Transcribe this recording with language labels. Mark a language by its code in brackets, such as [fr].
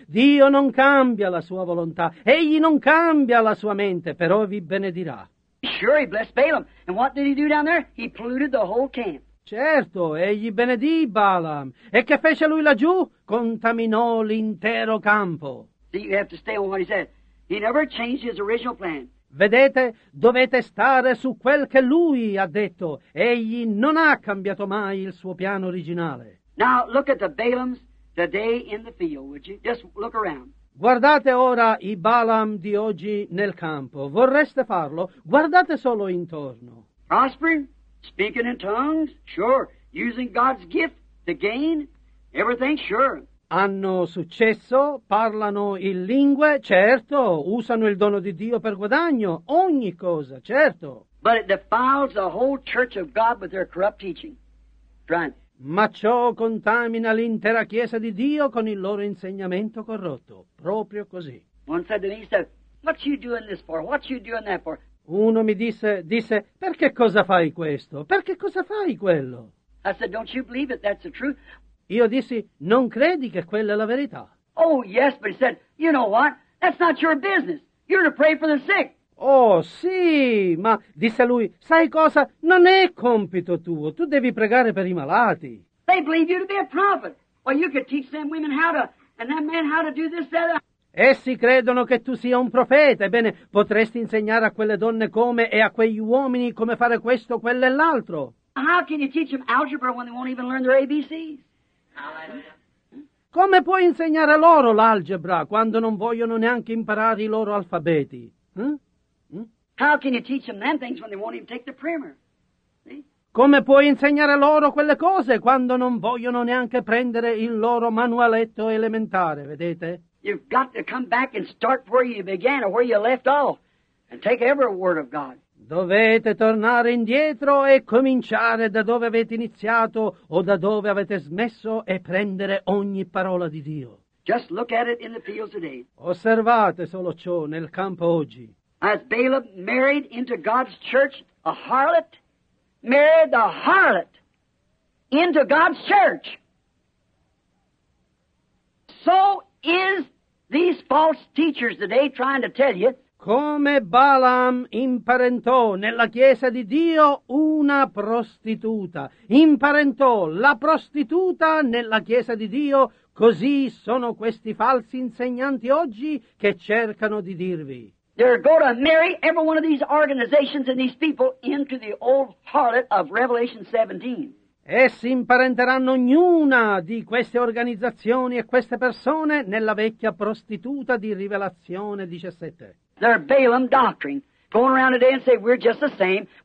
[it] Dio non cambia la sua volontà. Egli non cambia la sua mente, però vi benedirà. [en] Sure, he blessed Balaam. And what did he do down there? He polluted the whole camp. [it] Certo, egli benedì Balaam. E che fece lui laggiù? Contaminò l'intero campo. [en] See, you have to stay on what he said. He never changed his original plan. [it] Vedete, dovete stare su quel che lui ha detto. Egli non ha cambiato mai il suo piano originale. [en] Now, look at the Balaams today in the field, would you? Just look around. [it] Guardate ora i Balaam di oggi nel campo. Vorreste farlo? Guardate solo intorno. [en] Prospering, speaking in tongues, sure. Using God's gift to gain, everything, sure. [it] Hanno successo, parlano in lingue, certo. Usano il dono di Dio per guadagno, ogni cosa, certo. [en] But it defiles the whole church of God with their corrupt teaching. Right. [it] Ma ciò contamina l'intera chiesa di Dio con il loro insegnamento corrotto. Proprio così. [en] One said to me, he said, what you doing this for? What you doing that for? [it] Uno mi disse, perché cosa fai questo? Perché cosa fai quello? [en] I said, don't you believe it? That's the truth. [it] Io dissi, non credi che quella è la verità? [en] Oh, yes, but he said, you know what? That's not your business. You're to pray for the sick. [it] Oh, sì, ma, disse lui, sai cosa? Non è compito tuo. Tu devi pregare per i malati. [en] They believe you to be a prophet. Well, you could teach them women how to, and that man how to do this, that, that. [it] Essi credono che tu sia un profeta. Ebbene, potresti insegnare a quelle donne come e a quegli uomini come fare questo, quello e l'altro. [en] How can you teach them algebra when they won't even learn their ABCs? [it] Come puoi insegnare loro l'algebra quando non vogliono neanche imparare i loro alfabeti? [en] How can you teach them them things when they won't even take the primer? [it] Come puoi insegnare loro quelle cose quando non vogliono neanche prendere il loro manualetto elementare, vedete? [en] You've got to come back and start where you began or where you left off and take every word of God. [it] Dovete tornare indietro e cominciare da dove avete iniziato o da dove avete smesso e prendere ogni parola di Dio. [en] Just look at it in the field today. [it] Osservate solo ciò nel campo oggi. [en] As Balaam married into God's church a harlot, married the harlot into God's church. So is these false teachers today trying to tell you. [it] Come Balaam imparentò nella chiesa di Dio una prostituta. Imparentò la prostituta nella chiesa di Dio. Così sono questi falsi insegnanti oggi che cercano di dirvi. [en] They're going to marry every one of these organizations and these people into the old harlot of Revelation 17. [it] Essi imparenteranno ognuna di queste organizzazioni e queste persone nella vecchia prostituta di Rivelazione 17. [en] Their Balaam doctrine, going around today and say we're just the same.